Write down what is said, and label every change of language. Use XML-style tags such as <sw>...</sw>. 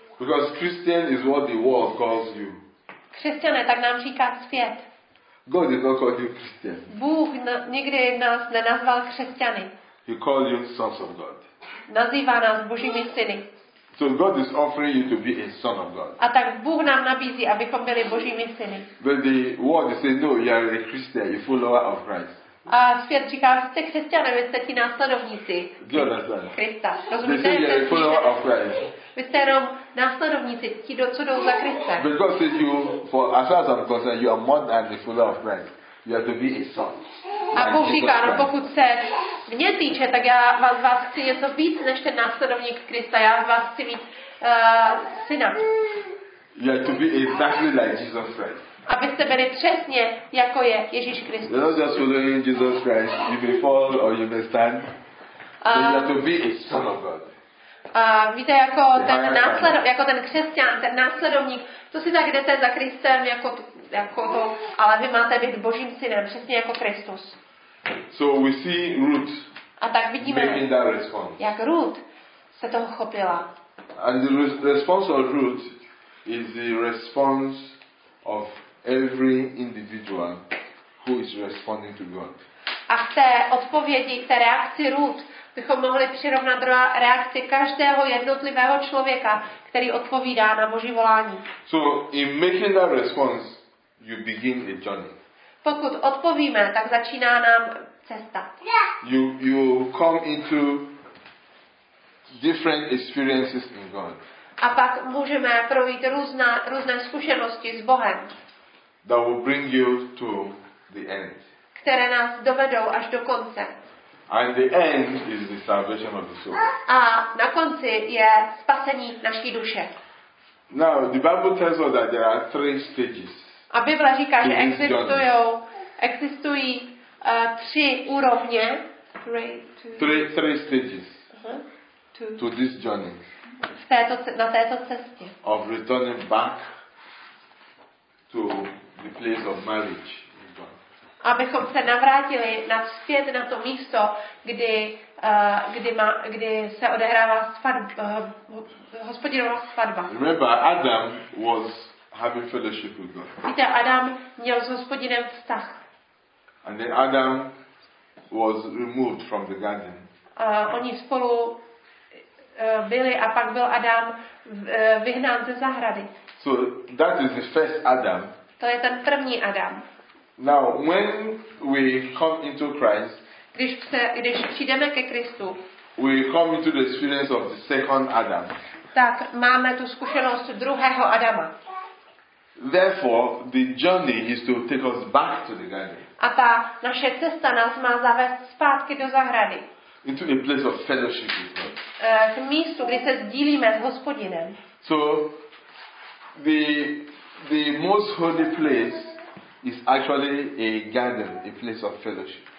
<en>Because Christian is what the world calls you.</en> <cs>Křesťané, tak nám říká svět.</cs> <en>God did not call you Christian.</en> <cs>Bůh nikdy nás nenazval křesťany.</cs> <en>He called you sons of God.</en> <cs>Nazývá nás Božími syny.</cs> <en>So God is offering you to be a son of God.</en> <cs>A tak Bůh nám nabízí, abychom byli Božími syny.</cs> <en>But the world says, no, you are a Christian, a follower of Christ.</en> <cs>A svět říká, jste křesťané, vy jste ti následovníci Krista. Rozumíte?</cs> <en>They say you are a follower of Christ.</en> <cs>Vy jste jenom následovníci, ti, co jdou za Krista.</cs> <en>But God says you, for as far as I'm concerned, you are more than a follower of Christ. You have to be a son.</en> <cs>A Bůh říká, no pokud se mě týče, tak já vás chci něco víc než ten následovník Krista. Já vás chci mít syna.</cs> <en>Yeah, to be exactly like Jesus Christ.</en> <cs>Abyste byli přesně, jako je Ježíš Kristus.</cs> <en>You're not just following Jesus Christ. You may fall or you may stand. You have to be a son of God.</en> <cs>Víte, jako ten následovník, jako ten křesťan, ten následovník, to si tak jdete za Kristem, jako to, ale vy máte být Božím synem, přesně jako Kristus.</cs> <en>So we see Ruth.</en> <cs>A tak vidíme,</cs> <en>making that response.</en> <cs>Jak Ruth se toho chopila.</cs> <en>And the response of Ruth is the response of every individual who is responding to God.</en> <cs>A k té odpovědi, k té reakci Ruth, bychom mohli přirovnat reakci každého jednotlivého člověka, který odpovídá na Boží volání.</cs> <en>So in making that response, you begin a journey.</en> <cs>Pokud odpovíme, tak začíná nám cesta.</cs> <en>You come into different experiences in God.</en> <cs>A pak můžeme projít různé zkušenosti s Bohem.</cs> <en>That will bring you to the end.</en> <cs>Které nás dovedou až do konce.</cs> <en>And the end is the salvation of the soul.</en> <cs>A na konci je spasení naší duše.</cs> <en>Now the Bible tells us that there are three stages.</en> <cs>A Bible říká, že existují tři úrovně.</cs> <en>Three stages. To this journey.</en> <cs>Na této cestě.</cs> <en>Of returning back to the place of marriage.</en> <cs>Abychom se navrátili nazpět na to místo, kdy se odehrává Hospodinova svatba.</cs> <en>Remember, Adam was having fellowship with God.</en> <cs>Víte, Adam měl s Hospodinem vztah.</cs> <en>And then Adam was removed from the garden.</en> <cs>Oni spolu byli a pak byl Adam vyhnán ze zahrady.</cs> <en>So that is the first Adam.</en> <cs>To je ten první Adam.</cs> <en>Now, when we come into Christ,</en> <cs>když přijdeme ke Kristu,</cs> <en>we come into the experience of the second Adam.</en> <cs>Tak máme tu zkušenost druhého Adama.</cs> <en>Therefore, the journey is to take us back to the garden.</en> <cs>A ta naše cesta nás má zavést zpátky do zahrady.</cs> <en>Into a place of fellowship with God.</en> <cs>K místu, kde se sdílíme s Hospodinem.</cs> <en>So, the most holy place is actually a garden, a place of fellowship.</en>